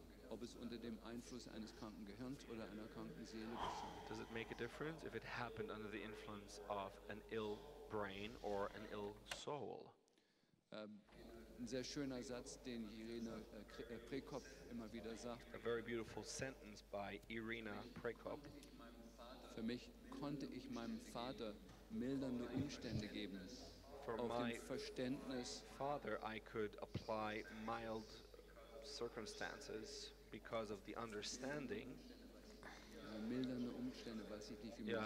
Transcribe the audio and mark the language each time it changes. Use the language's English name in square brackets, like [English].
[German] ob es unter dem Einfluss eines kranken Gehirns oder einer kranken Seele geschieht. [English] Does it make a difference if it happened under the influence of an ill brain or an ill soul? [German] Ein sehr schöner Satz, den Irina Prekop immer wieder sagt. [English] A very beautiful sentence by Irina Prekop. [German] Für mich konnte ich meinem Vater mildernde Umstände geben. [English] For my father, I could apply mild circumstances. Because of the understanding. [German] Mildernde Umstände, weiß ich nicht, wie man